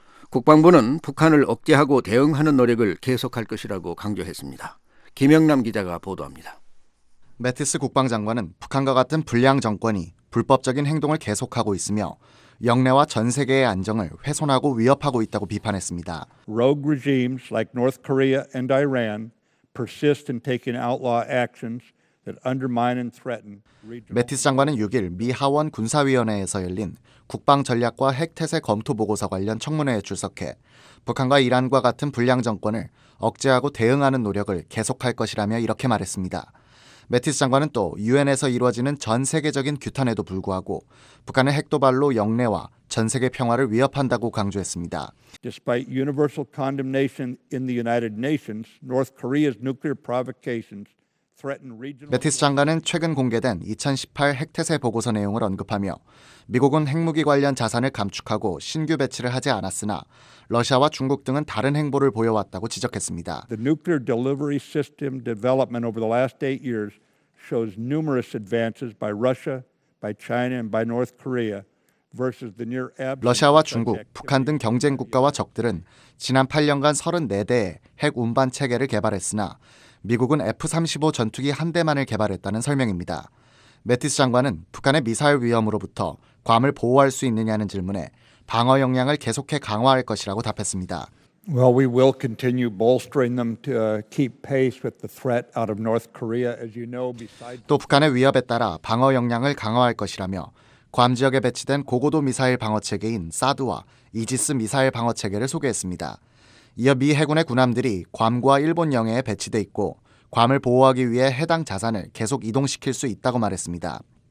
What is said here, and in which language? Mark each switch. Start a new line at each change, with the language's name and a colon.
Korean: 국방부는 북한을 억제하고 대응하는 노력을 계속할 것이라고 강조했습니다. 김영남 기자가 보도합니다. 매티스 국방장관은 북한과 같은 불량 정권이 불법적인 행동을 계속하고 있으며 영내와 전 세계의 안정을 훼손하고 위협하고 있다고 비판했습니다.
English: Rogue regimes like North Korea and Iran persist in taking outlaw actions that undermine and threaten.
Korean: 매티스 장관은 6일 미 하원 군사위원회에서 열린 국방 전략과 핵 태세 검토 보고서 관련 청문회에 출석해 북한과 이란과 같은 불량 정권을 억제하고 대응하는 노력을 계속할 것이라며 이렇게 말했습니다. 매티스 장관은 또 유엔에서 이루어지는 전 세계적인 규탄에도 불구하고 북한의 핵도발로 영내와 전 세계 평화를 위협한다고 강조했습니다.
English: Despite universal condemnation in the United Nations, North Korea's nuclear provocations threaten regional.
Korean: 매티스 장관은 최근 공개된 2018 핵태세 보고서 내용을 언급하며 미국은 핵무기 관련 자산을 감축하고 신규 배치를 하지 않았으나 러시아와 중국 등은 다른 행보를 보여왔다고 지적했습니다.
English: The nuclear delivery system development over the last 8 years shows numerous advances by Russia, by China, and by North Korea.
Korean: 러시아와 중국, 북한 등 경쟁 국가와 적들은 지난 8년간 34대의 핵 운반 체계를 개발했으나 미국은 F-35 전투기 한 대만을 개발했다는 설명입니다. 매티스 장관은 북한의 미사일 위험으로부터 괌을 보호할 수 있느냐는 질문에 방어 역량을 계속해 강화할 것이라고 답했습니다.
English: Well, we will continue bolstering them to keep pace with the threat out of North Korea, as you know. Besides,
Korean: 또 북한의 위협에 따라 방어 역량을 강화할 것이라며. 괌 지역에 배치된 고고도 미사일 방어체계인 사드와 이지스 미사일 방어체계를 소개했습니다. 이어 미 해군의 군함들이 괌과 일본 영해에 배치돼 있고 괌을 보호하기 위해 해당 자산을 계속 이동시킬 수 있다고 말했습니다.